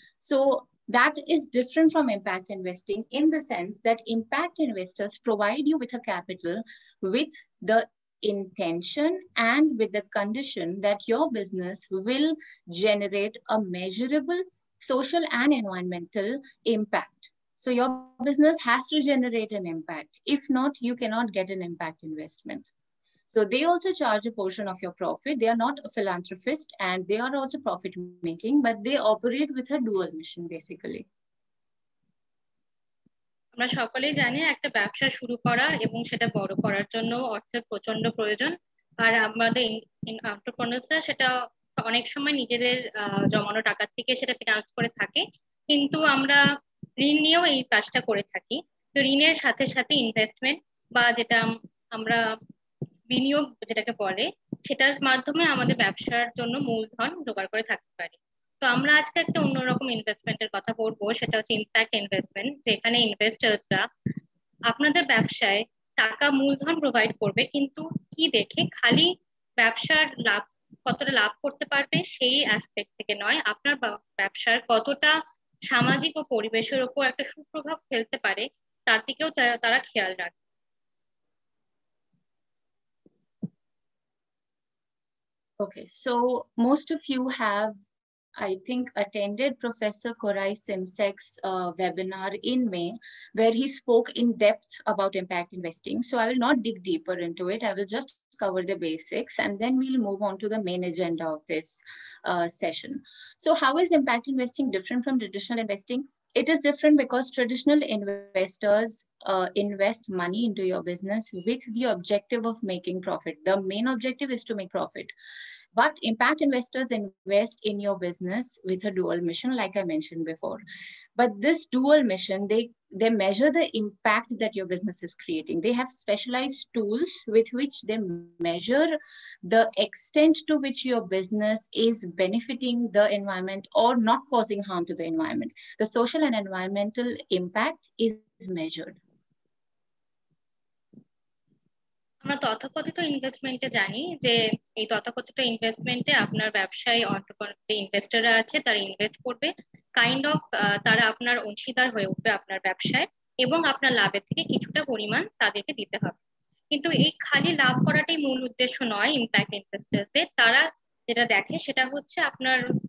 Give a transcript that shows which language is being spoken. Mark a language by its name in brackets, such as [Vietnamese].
[English] So that is different from impact investing in the sense that impact investors provide you with a capital with the intention and with the condition that your business will generate a measurable social and environmental impact. So your business has to generate an impact. If not, you cannot get an impact investment. So they also charge a portion of your profit. They are not a philanthropist and they are also profit making, but they operate with a dual mission basically. [Bangla] আমরা সকলেই জানি একটা ব্যবসা শুরু করা এবং সেটা বড় করার জন্য অর্থের প্রচন্ড প্রয়োজন, আর আমাদের এন্টারপ্রেনিউরসরা সেটা অনেক সময় নিজেদের জমানো টাকা থেকে সেটা ফিনান্স করে থাকে। কিন্তু আমরা ঋণ নিয়েও এই কাজটা করে থাকি। তো ঋণের সাথে সাথে ইনভেস্টমেন্ট বা যেটা আমরা বিনিয়োগ যেটাকে বলে সেটার মাধ্যমে আমাদের ব্যবসার জন্য মূলধন জোগাড় করে থাকতে পারি। তো আমরা আজকে একটা অন্যরকম ইনভেস্টমেন্টের কথা বলবো, সেটা হচ্ছে ইম্প্যাক্ট ইনভেস্টমেন্ট, যেখানে ইনভেস্টরসরা আপনাদের ব্যবসায় টাকা মূলধন প্রোভাইড করবে, কিন্তু কি দেখে, খালি ব্যবসার লাভ কতটা লাভ করতে পারবে সেই অ্যাসপেক্ট থেকে নয়, আপনার ব্যবসার কতটা সামাজিক ও পরিবেশের উপর একটা সুপ্রভাব ফেলতে পারে তার দিকেও তারা খেয়াল রাখবে। [English] Okay, so most of you have I think attended Professor Korai Simsek's webinar in May, where he spoke in depth about impact investing. So I will not dig deeper into it. I will just cover the basics and then we'll move on to the main agenda of this session. So how is impact investing different from traditional investing? It is different because traditional investors invest money into your business with the objective of making profit. The main objective is to make profit. But impact investors invest in your business with a dual mission, like I mentioned before. But this dual mission, they they measure the impact that your business is creating. They have specialized tools with which they measure the extent to which your business is benefiting the environment or not causing harm to the environment. The social and environmental impact is measured. [Bangla] আমরা তথাকথিত ইনভেস্টমেন্টে জানি যে এই তথাকথিত ইনভেস্টমেন্টে আপনার ব্যবসায়ী অন্তর্ভুক্ত ইনভেস্টররা আছে তারা ইনভেস্ট করবে কাইন্ড অফ তারা আপনার অংশীদার হয়ে উঠবে আপনার ব্যবসায় এবং আপনার লাভের থেকে কিছুটা পরিমাণ তাদেরকে দিতে হবে কিন্তু এই খালি লাভ করাটাই মূল উদ্দেশ্য নয় ইম্প্যাক্ট ইনভেস্টরদের তারা যেটা দেখে সেটা হচ্ছে আপনার